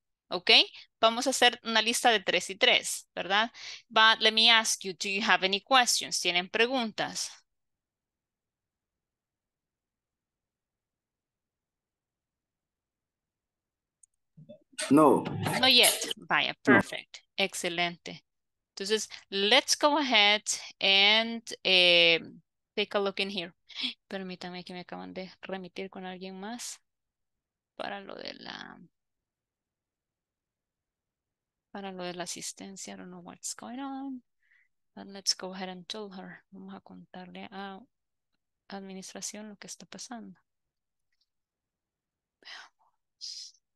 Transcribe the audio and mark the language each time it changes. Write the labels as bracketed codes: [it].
[es] Ok, vamos a hacer una lista de tres y tres, ¿verdad? [en] But let me ask you, do you have any questions? [es] ¿Tienen preguntas? No. [en] No yet. Vaya, perfect. No. Excelente. Entonces, let's go ahead and take a look in here. [es] Permítanme que me acaban de remitir con alguien más para lo de la asistencia. [en] I don't know what's going on, but let's go ahead and tell her. [es] Vamos a contarle a administración lo que está pasando. Veamos.